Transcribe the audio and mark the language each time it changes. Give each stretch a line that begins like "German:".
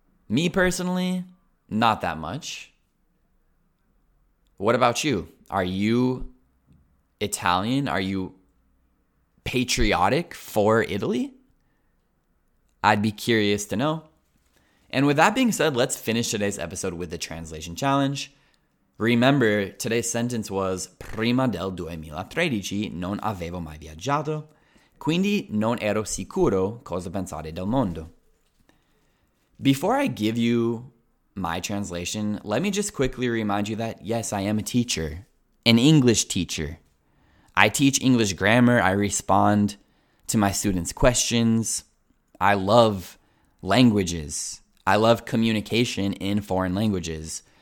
English: Me personally, not that much. What about you? Are you Italian? Are you patriotic for Italy? I'd be curious to know. And with that being said, let's finish today's episode with the translation challenge. Remember, today's sentence was
Italian: prima del 2013 non avevo mai viaggiato, quindi non ero sicuro cosa pensare del mondo.
English: Before I give you my translation, let me just quickly remind you that yes, I am a teacher, an English teacher. I teach English grammar. I respond to my students' questions. I love languages. I love communication in foreign languages.